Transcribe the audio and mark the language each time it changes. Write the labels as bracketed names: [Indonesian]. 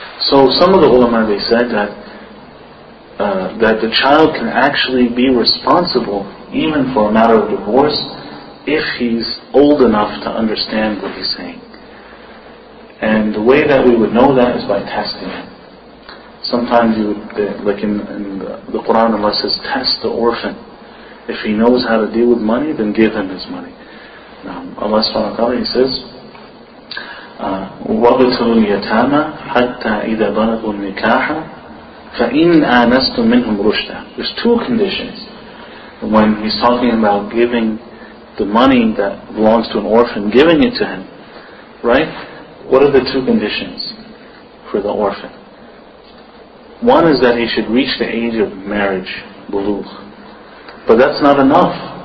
[English] So some of the ulama, they said that the child can actually be responsible even for a matter of divorce if he's old enough to understand what he's saying. And the way that we would know that is by testing him. Sometimes you would, like in the Quran, Allah says, test the orphan. If he knows how to deal with money, then give him his money. Now, Allah subhanahu wa ta'ala, he says, [Arabic] وَبْتُلُوا الْيَتَامَ حَتَّى إِذَا بَلَغُوا النِّكَاحَ فَإِنْ آنَسْتُ مِنْهُمْ رُشْدًا. [English] There's two conditions. When he's talking about giving the money that belongs to an orphan, giving it to him, right? What are the two conditions for the orphan? One is that he should reach the age of marriage, buluh. But that's not enough.